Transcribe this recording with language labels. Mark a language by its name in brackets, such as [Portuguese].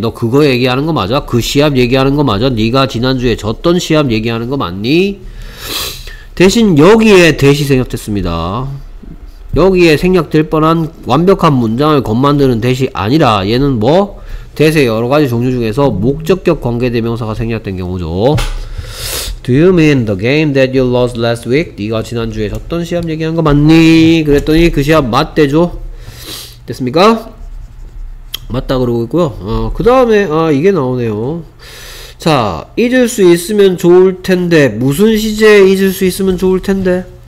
[Korean] 너 그거 얘기하는 거 맞아? 그 시합 얘기하는 거 맞아? 네가 지난주에 졌던 시합 얘기하는 거 맞니? 대신 여기에 대시 생략됐습니다. 여기에 생략될 뻔한 완벽한 문장을 겉만드는 대시 아니라 얘는 뭐? 대세 여러 가지 종류 중에서 목적격 관계대명사가 생략된 경우죠. [English] Do you mean the game that you lost last week? [Korean] 네가 지난주에 졌던 시합 얘기한 거 맞니? 그랬더니 그 시합 맞대죠? 됐습니까? 맞다 그러고 있고요. 그 다음에 이게 나오네요. 자, 잊을 수 있으면 좋을 텐데 무슨 시제에 잊을 수 있으면 좋을 텐데?